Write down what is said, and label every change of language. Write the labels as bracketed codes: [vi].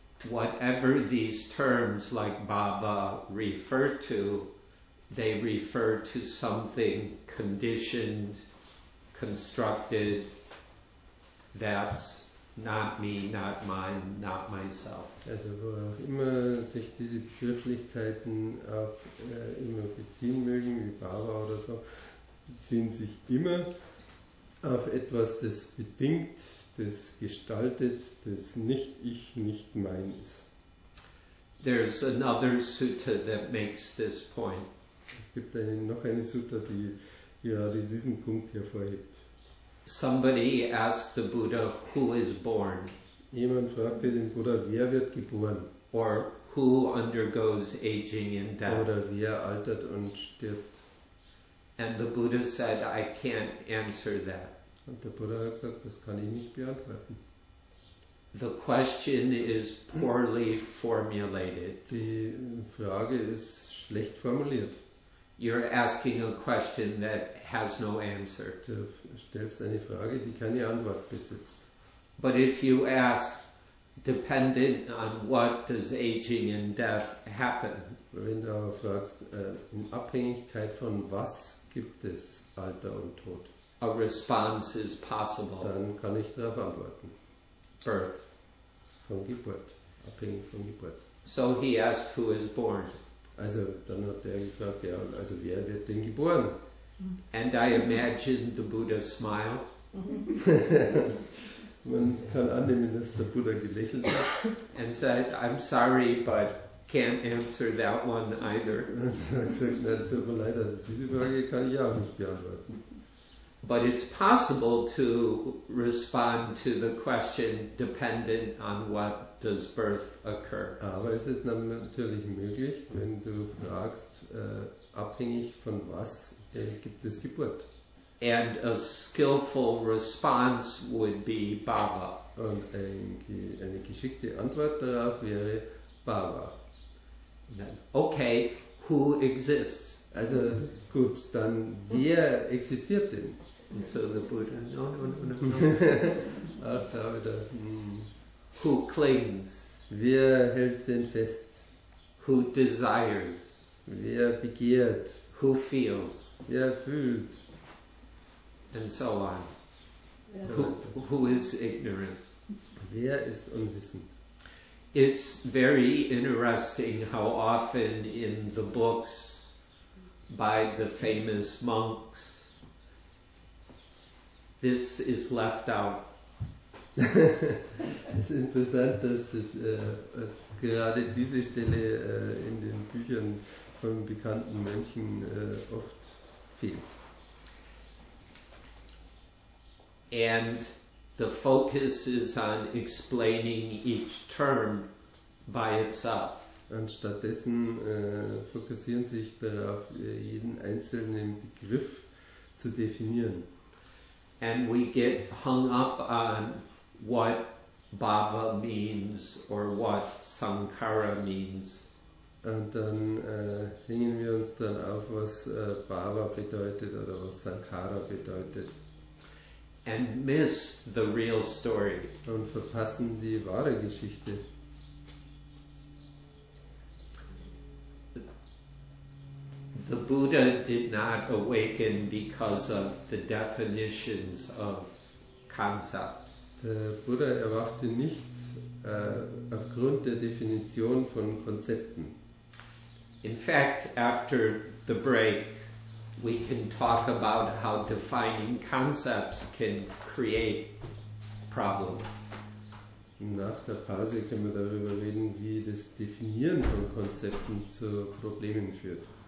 [en] Whatever these terms like bhava refer to, they refer to something conditioned, constructed, that's not me, not mine, not myself. [de] Also wo auch immer sich diese Begrifflichkeiten auch immer beziehen mögen, wie Baba oder so, beziehen sich immer auf etwas, das bedingt, das gestaltet, das nicht ich, nicht mein ist. [en] There's another sutta that makes this point. [de] Es gibt noch eine Sutta, die gerade diesen Punkt hervorhebt. [en] Somebody asked the Buddha, who is born? [de] Jemand fragte den Buddha, wer wird geboren? [en] Or who undergoes aging and death? [de] Oder wer altert und stirbt? [en] And the Buddha said, I can't answer that. [de] Und der Buddha hat gesagt, das kann ich nicht beantworten. [en] The question is poorly formulated. [de] Die Frage ist schlecht formuliert. [en] You're asking a question that has no answer. [de] Du stellst eine Frage, die keine Antwort besitzt. [en] But if you ask, dependent on what does aging and death happen? [de] Wenn du aber fragst, in Abhängigkeit von was gibt es Alter und Tod? [en] A response is possible. [de] Dann kann ich darauf antworten. [en] Birth. [de] Von Geburt. Abhängig von Geburt. [en] So he asked, who is born? [de] Also, dann hat er gefragt, ja, also wer wird denn geboren? [en] And I imagine the Buddha smile. [de] Man kann annehmen, dass der Buddha gelächelt hat. [en] And said, I'm sorry, but can't answer that one either. [de] Und er hat gesagt, na, tut mir leid, also diese Frage kann ich auch nicht beantworten. [en] But it's possible to respond to the question dependent on what does birth occur. [de] Aber es ist natürlich möglich, wenn du fragst, abhängig von was gibt es Geburt. [en] And a skillful response would be bhava. [de] Und eine geschickte Antwort darauf wäre bhava. [en] Okay, who exists? [de] Also gut, dann wer existiert denn? [en] And so the Buddha, no. [de] Auch da wieder. [en] Who clings? [de] Wer hält den fest? [en] Who desires? [de] Wer begehrt? [en] Who feels? [de] Wer fühlt? [en] And so on. Yeah. Who is ignorant? [de] Wer ist unwissend? [en] It's very interesting how often in the books by the famous monks this is left out. [de] Es ist interessant, dass das gerade diese Stelle in den Büchern von bekannten Mönchen oft fehlt. [en] And the focus is on explaining each term by itself. [de] Und stattdessen fokussieren sich darauf, jeden einzelnen Begriff zu definieren. [en] And we get hung up on what bhava means or what sankhara means. [de] Und dann hängen wir uns dann auf, was bhava bedeutet oder was sankhara bedeutet. [en] And miss the real story. [de] Und verpassen die wahre Geschichte. [en] The Buddha did not awaken because of the definitions of concepts. [de] Der Buddha erwachte nicht aufgrund der Definition von Konzepten. [en] In fact, after the break, we can talk about how defining concepts can create problems. [de] Nach der Pause können wir darüber reden, wie das Definieren von Konzepten zu Problemen führt.